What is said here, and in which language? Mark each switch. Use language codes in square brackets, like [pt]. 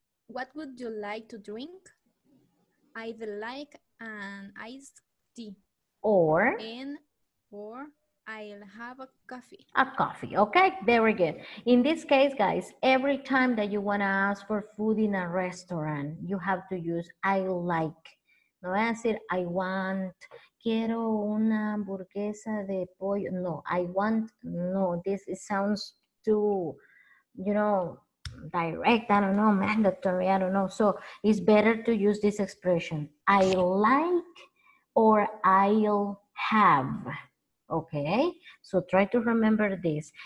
[en] What would you like to drink? I'd like an iced tea. Or? Or I'll have a coffee. A coffee. Okay, very good. In this case, guys, every time that you want to ask for food in a restaurant, you have to use I like. [es] No voy a decir, [en] I want, [es] quiero una hamburguesa de pollo. [en] No, I want, no. This it sounds too, you know, direct. I don't know, mandatory. I don't know. So it's better to use this expression. I like or I'll have. Okay, so try to remember this.